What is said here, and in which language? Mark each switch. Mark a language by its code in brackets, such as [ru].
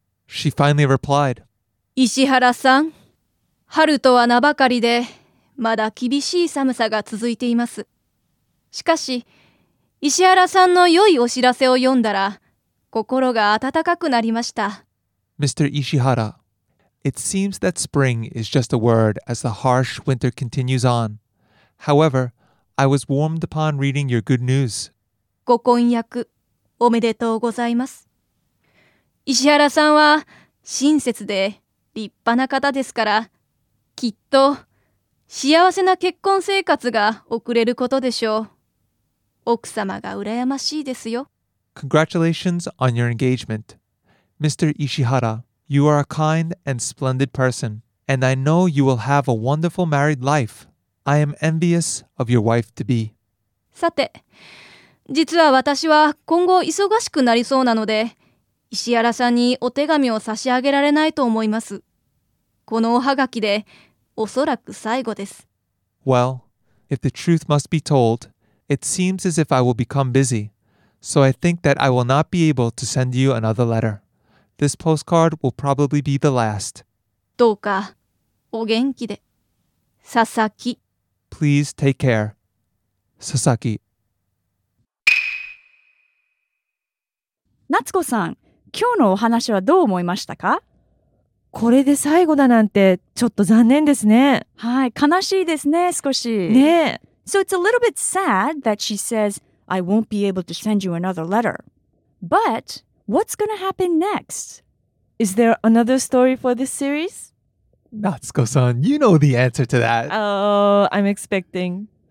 [en] She finally replied. [ja] 石原さん、春とは名ばかりで、まだ厳しい寒さが続いています。しかし、石原さんの良いお知らせを読んだら、心が温かくなりました。 [en] Mr. Ishihara, it seems that spring is just a word as the harsh winter continues on. However, I was warmed upon reading your good news. [ja] ご婚約、おめでとうございます。石原さんは親切で立派な方ですから、きっと幸せな結婚生活が送れることでしょう。奥様が羨ましいですよ。 [en] Congratulations on your engagement. Mr. Ishihara, you are a kind and splendid person, and I know you will have a wonderful married life. I am envious of your wife to be. [ja] さて、実は私は今後忙しくなりそうなので、石原さんにお手紙を差し上げられないと思います。このおはがきでおそらく最後です。 [en] Well, if the truth must be told,It seems as if I will become busy, so I think that I will not be able to send you another letter. This postcard will probably be the last. [ja] どうか、お元気で。佐々木。 [en] Please take care. 佐々木。 [ja] 夏子さん、今日のお話はどう思いましたか？これで最後だなんて、ちょっと残念ですね。はい、悲しいですね、少し。ねえ。 [en] So it's a little bit sad that she says, I won't be able to send you another letter. But what's going to happen next? Is there another story for this series? Natsuko-san, you know the answer to that. Oh, I'm expecting.